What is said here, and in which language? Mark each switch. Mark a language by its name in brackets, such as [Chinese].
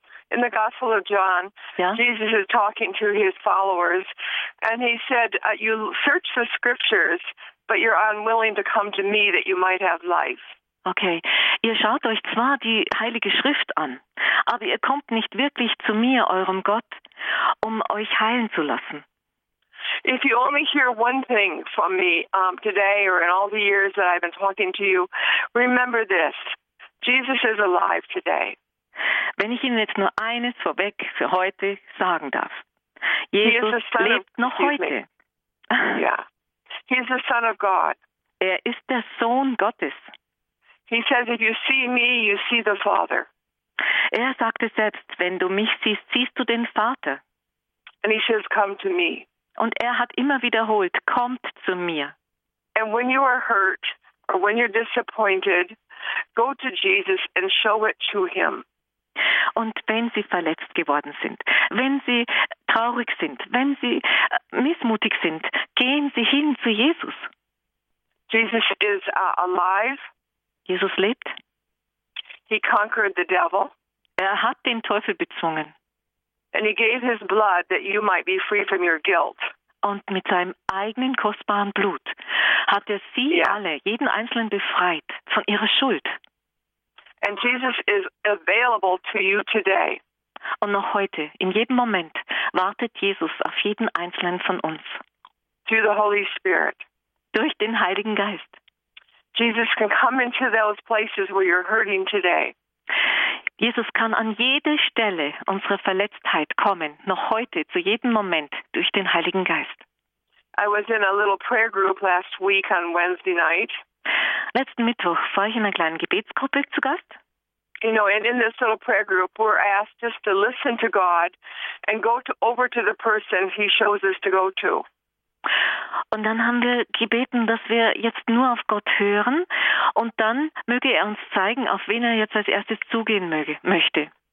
[English] in the Gospel of John, Jesus is talking to his followers, and he said, you search the scriptures, but you're unwilling to come to me that you might have life. [German] Okay, ihr schaut euch zwar die Heilige Schrift an, aber ihr kommt nicht wirklich zu mir, eurem Gott, um euch heilen zu lassen. [English] If you only hear one thing from me today or in all the years that I've been talking to you, remember this, Jesus is alive today. [German] Wenn ich Ihnen jetzt nur eines vorweg für heute sagen darf. Jesus lebt noch heute. [English] He is the Son of God. [German] Er ist der Sohn Gottes. [English] He says, if you see me, you see the Father. [German] Er sagte selbst, wenn du mich siehst, siehst du den Vater. [English] And he says, come to me. [German] Und er hat immer wiederholt, kommt zu mir. [English] And when you are hurt or when you're disappointed, go to Jesus and show it to him. [German] Und wenn sie verletzt geworden sind, wenn sie traurig sind, wenn sie missmutig sind, gehen sie hin zu Jesus. [English] Jesus is alive. [German] Jesus lebt. [English] He conquered the devil. [German] Er hat den Teufel bezwungen. [English] And he gave his blood that you might be free from your guilt. [German] Und mit seinem eigenen kostbaren Blut hat er sie alle, jeden einzelnen befreit von ihrer Schuld. [English] And Jesus is available to you today. [German] Und noch heute, in jedem Moment, wartet Jesus auf jeden einzelnen von uns. [English] Through the Holy Spirit. [German] Durch den Heiligen Geist. [English] Jesus can come into those places where you're hurting today. [German] Jesus kann an jede Stelle unserer Verletztheit kommen, noch heute, zu jedem Moment, durch den Heiligen Geist. [English] I was in a little prayer group last week on Wednesday night. [German] Letzten Mittwoch war ich in einer kleinen Gebetsgruppe zu Gast. [English] You know, and in this little prayer group, we're asked just to listen to God and go over to the person he shows us to go to. [German] Und dann haben wir gebeten, dass wir jetzt nur auf Gott hören und dann möge er uns zeigen, auf wen er jetzt als erstes zugehen möchte.